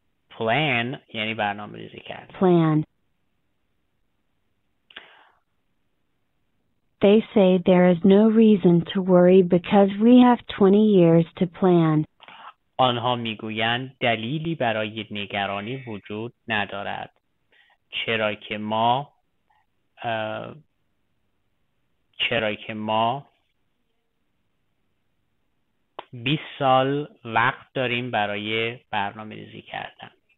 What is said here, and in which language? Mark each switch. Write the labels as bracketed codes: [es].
[fa] Plan یعنی برنامه ریزی کرد. [en] Plan. They say there is no reason to worry because we have 20 years to plan. [fa] آنها میگویند دلیلی برای نگرانی وجود ندارد. چرا که ما بیس سال وقت داریم برای برنامه ریزی کردن.